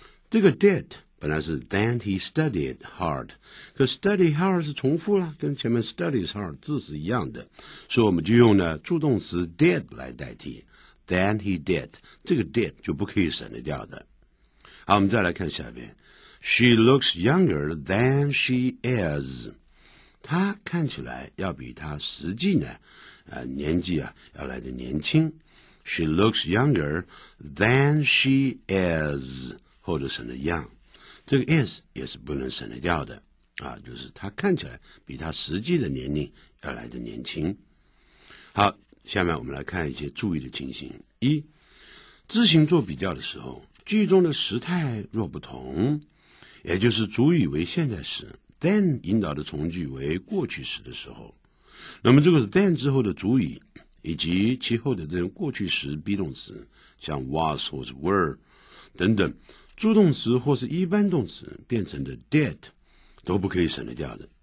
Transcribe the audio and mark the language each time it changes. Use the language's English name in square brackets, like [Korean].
[Chinese] 这个 did 本来是 [English] than he studied hard, [Chinese] 可 study hard 是重复了，跟前面 [English] studies hard [Chinese] 字是一样的。所以我们就用了助动词 did 来代替 [English] than he did, [Chinese] 这个 did 就不可以省得掉的。好，我们再来看下面。 [English] She looks younger than she is. [Chinese] 她看起来要比她实际呢、年纪啊要来的年轻。 [English] She looks younger than she is. [Chinese] 或者省得 young。这个 is 也是不能省得掉的。啊，就是她看起来比她实际的年龄要来的年轻。好，下面我们来看一些注意的情形。一，自行做比较的时候，句中的时态若不同，也就是主语为现在时 than 引导的从句为过去时的时候，那么这个是 than 之后的主语以及其后的这种过去时 be 动词，像 was 或是 were 等等，助动词或是一般动词变成的 did 都不可以省得掉的。